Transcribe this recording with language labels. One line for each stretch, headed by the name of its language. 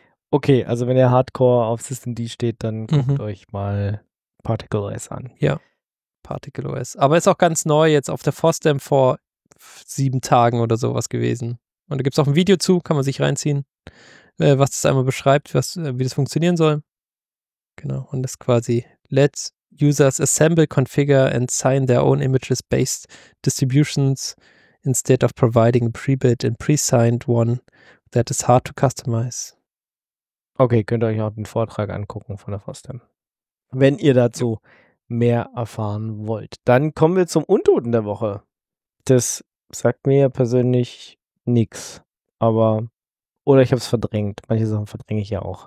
German: Okay, also wenn ihr Hardcore auf System D steht, dann guckt euch mal Particle OS an. Ja, Particle OS. Aber ist auch ganz neu jetzt auf der FOSDEM vor 7 Tagen oder sowas gewesen. Und da gibt es auch ein Video zu, kann man sich reinziehen, was das einmal beschreibt, wie das funktionieren soll. Genau, und das quasi
English: lets users assemble, configure and sign their own images based distributions instead of providing a pre-built and pre-signed one that is hard to customize.
German: Okay, könnt ihr euch auch den Vortrag angucken von der FOSDEM, wenn ihr dazu mehr erfahren wollt. Dann kommen wir zum Untoten der Woche. Das sagt mir ja persönlich nichts, aber oder ich habe es verdrängt. Manche Sachen verdränge ich ja auch.